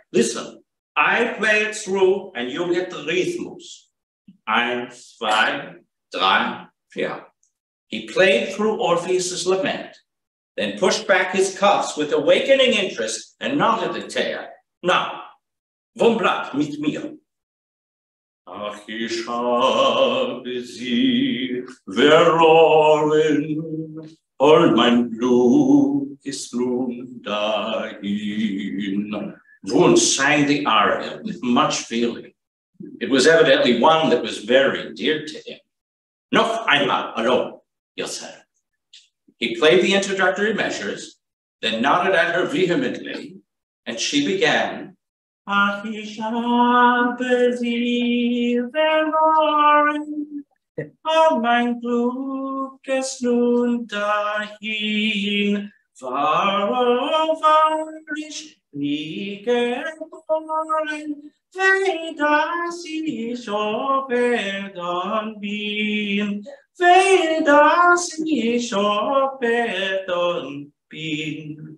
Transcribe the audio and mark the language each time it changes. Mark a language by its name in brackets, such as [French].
[English] Listen, I play it through and you get the rhythmus. 1, 2, 3, 4. He played through Orpheus's lament, then pushed back his cuffs with awakening interest and nodded at Taya. Now, [German] vom Blatt mit mir. Ach, ich habe sie verloren, all mein Blut ist nun dahin. [English] Wund sang the aria with much feeling. It was evidently one that was very dear to him. [German] Noch einmal, [English] alone, yes, sir. He played the introductory measures, then nodded at her vehemently, and she began. [German] Ach, ich habe sie verloren, all mein Glück ist nun dahin, war ich nie geboren, weh, dass ich so verdorben bin, weh, dass ich so verdorben bin.